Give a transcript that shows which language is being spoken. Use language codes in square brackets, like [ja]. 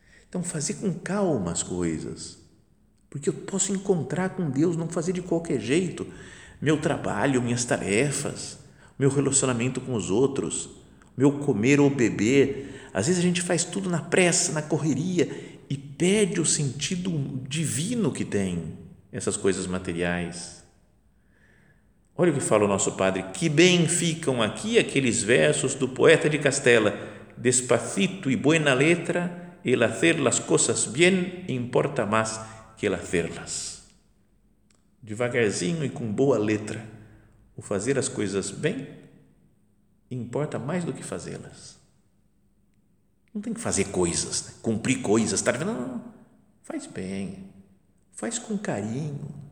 [pt] Então, fazer com calma as coisas, porque eu posso encontrar com Deus, não fazer de qualquer jeito, meu trabalho, minhas tarefas, meu relacionamento com os outros, meu comer ou beber. Às vezes a gente faz tudo na pressa, na correria, e perde o sentido divino que tem essas coisas materiais. Olha o que fala o nosso padre: que bem ficam aqui aqueles versos do poeta de Castela: [es] despacito e buena letra, el hacer las cosas bien importa más que el hacerlas. [pt] Devagarzinho e com boa letra, o fazer as coisas bem importa mais do que fazê-las. Não tem que fazer coisas, né? Cumprir coisas, tá? Não, faz bem, faz com carinho.